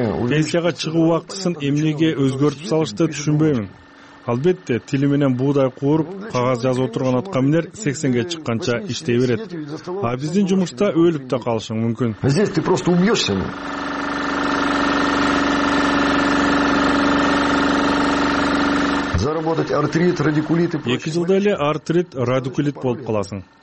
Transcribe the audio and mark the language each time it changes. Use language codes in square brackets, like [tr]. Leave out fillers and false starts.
[ky] Пенсияга чыгуу убактысын эмнеге өзгөртүп салышты түшүнбөймүн. Албетте, тили менен буудай кууруп, кагаз жазып отурган аткаминер 80-ге чыкканча иштей берет. А биздин жумушта өлүп да калышың мүмкүн. [ru] Здесь ты просто убьёшься. Заработать артрит, радикулит и прочее. [ky] 2 жылда эле артрит, радикулит болуп каласың.